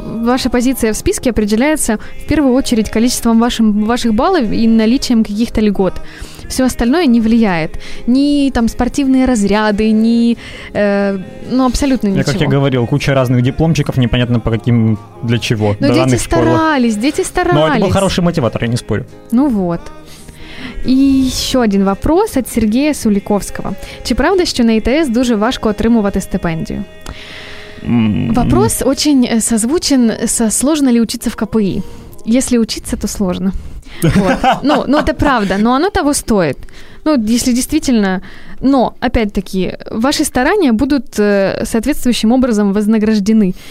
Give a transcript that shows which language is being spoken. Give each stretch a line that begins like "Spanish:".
Russian: Ваша позиция в списке определяется в первую очередь количеством ваших баллов и наличием каких-то льгот. Все остальное не влияет. Ни там спортивные разряды, ни... ну, абсолютно ничего. Я, как я говорил, куча разных дипломчиков, непонятно по каким... для чего. Но дети старались, дети старались. Но это был хороший мотиватор, я не спорю. Ну вот.
Ukrainian: І ще один вопрос від Сергія Суліковського. Чи правда, що на ІТС дуже важко отримувати стипендію?
Russian: Вопрос очень созвучен со «Сложно ли учиться в КПІ?» «Если учиться, то сложно». Вот. Ну, это правда, но оно того стоит. Ну, если действительно... Но, опять-таки, ваши старания будут соответствующим образом вознаграждены.